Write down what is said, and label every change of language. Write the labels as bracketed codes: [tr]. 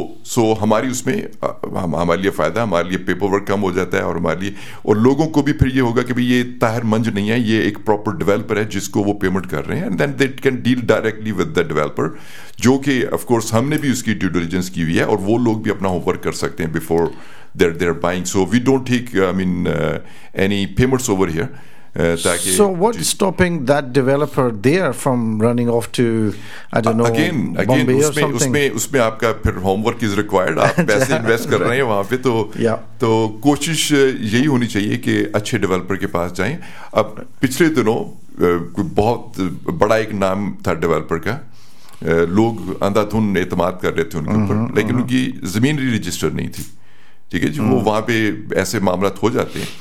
[hi] सो हमारी उसमें हमारे लिए फायदा, हमारे लिए पेपर वर्क कम हो जाता है और हमारे लिए और लोगों को भी फिर ये होगा कि भाई ये ताहिर मंज नहीं है, ये एक प्रॉपर डेवलपर है जिसको वो पेमेंट कर रहे हैं [en] and then they can deal directly with the developer, [hi] जो कि ऑफकोर्स हमने भी उसकी ड्यू डिलिजेंस की हुई है और वो लोग भी अपना होमवर्क कर सकते हैं before [en] they're buying, so we don't take any payments over here, So what is stopping that developer there from running off to, I don't know, again, Bombay again, or something? [hi] उसमें आपका फिर [en] homework is required. [hi] आप पैसे invest कर रहे हैं वहाँ पे तो तो कोशिश यही होनी चाहिए कि अच्छे developer के पास जाएं. अब पिछले दिनों बहुत बड़ा एक नाम था developer का. लोग अंधाधुन एतमाद कर रहे थे उनके ऊपर लेकिन उनकी जमीन रजिस्टर नहीं थी ठीक है जी वो वहां पे ऐसे मामला हो जाते हैं